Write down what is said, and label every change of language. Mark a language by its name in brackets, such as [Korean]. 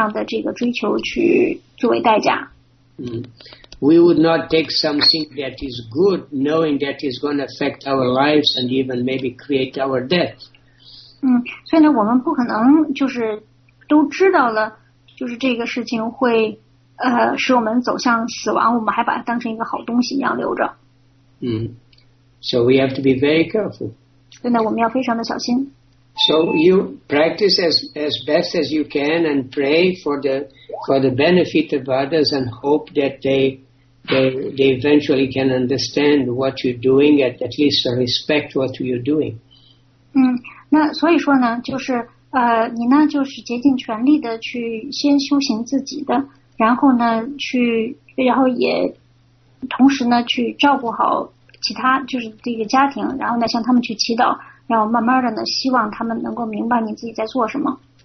[Chinese] 但是呢，我们不能够因为要去保护一些临时的事情，而就是拿我们的这个灵性上的这个追求去作为代价。 [English] We would not take something that is good, knowing that it's going to affect our lives and even maybe create our death. [Chinese] 所以呢，我们不可能就是都知道了，就是这个事情会使我们走向死亡，我们还把它当成一个好东西一样留着。 [English] So we have to be very careful. [Chinese] 所以呢，我们要非常的小心。 [English] So you practice as best as you can and pray for the benefit of others and hope that they they eventually can understand what you're doing and at least respect what you're doing. [Chinese] 那所以说呢，就是你呢就是竭尽全力的去先修行自己的，然后呢去，然后也同时呢去照顾好其他，就是这个家庭，然后呢向他们去祈祷，然后慢慢的呢希望他们能够明白你自己在做什么。